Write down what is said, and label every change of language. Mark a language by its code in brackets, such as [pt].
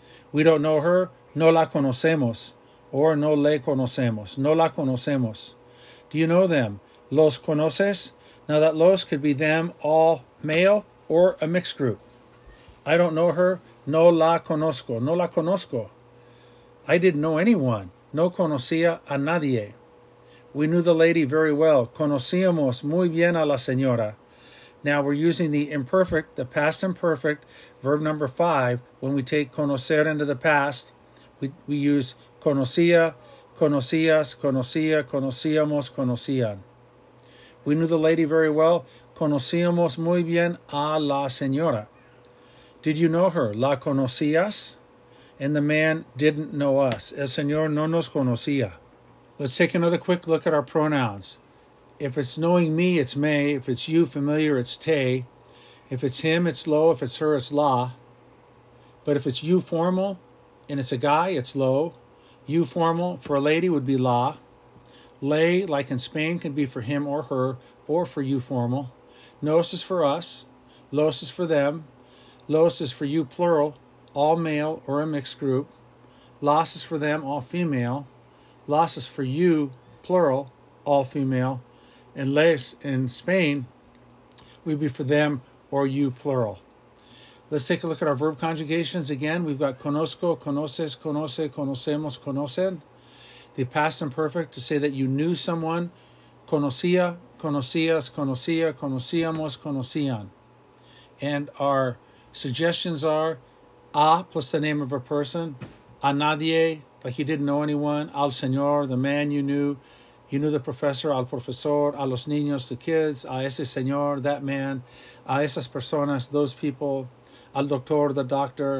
[en] We don't know her, [es] no la conocemos, [en] or [es] no le conocemos, no la conocemos. [en] Do you know them? [es] Los conoces? [en] Now that los could be them, all male, or a mixed group. I don't know her, [es] no la conozco, no la conozco. [en] I didn't know anyone, [es] no conocía a nadie. [en] We knew the lady very well. [es] Conocíamos muy bien a la señora. [en] Now we're using the imperfect, the past imperfect, verb number 5. When we take conocer into the past, we use conocía, conocías, conocía, conocíamos, conocían. We knew the lady very well. [es] Conocíamos muy bien a la señora. [en] Did you know her? [es] La conocías? [en] And the man didn't know us. [es] El señor no nos conocía. [en] Let's take another quick look at our pronouns. If it's knowing me, it's me. If it's you, familiar, it's te. If it's him, it's lo. If it's her, it's la. But if it's you formal and it's a guy, it's lo. You formal for a lady would be la. Le, like in Spain, can be for him or her or for you formal. Nos is for us. Los is for them. Los is for you plural, all male or a mixed group. Las is for them, all female. Las is for you, plural, all female. And les in Spain would be for them or you, plural. Let's take a look at our verb conjugations again. We've got conozco, conoces, conoce, conocemos, conocen. The past imperfect to say that you knew someone. [es] Conocía, conocías, conocía, conocíamos, conocían. [en] And our suggestions are a plus the name of a person, a nadie, like you didn't know anyone, al señor, the man you knew. You knew the professor, al profesor, a los niños, the kids, a ese señor, that man, a esas personas, those people, al doctor, the doctor.